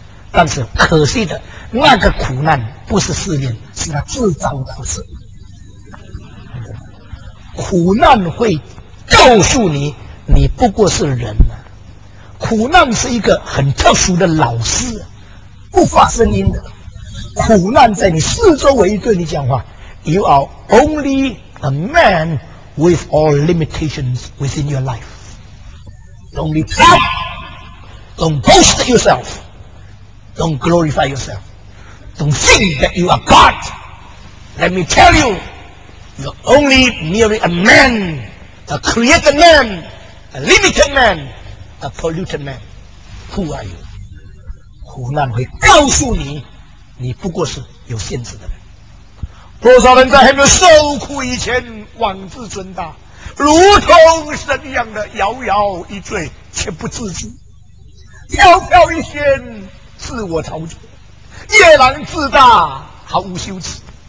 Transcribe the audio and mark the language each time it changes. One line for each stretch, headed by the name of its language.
Chinese: 但是可惜的，那个苦难不是试炼，是他自找的事。苦难会告诉你，你不过是人啊。苦难是一个很特殊的老师，不发声音的。苦难在你四周围对你讲话，
English: You are only a man with all limitations within your life. Don't be proud. Don't boast yourself. Don't glorify yourself. Don't think that you are God. Let me tell you, you're only merely a man, a created man. A limited man, a polluted man. Who are you?
Chinese: 苦难会告诉你，你不过是有限制的人。多少人在还没有受苦以前妄自尊大，如同神一样的摇摇一坠却不自知，飘飘一仙自我陶醉，夜郎自大毫无羞耻。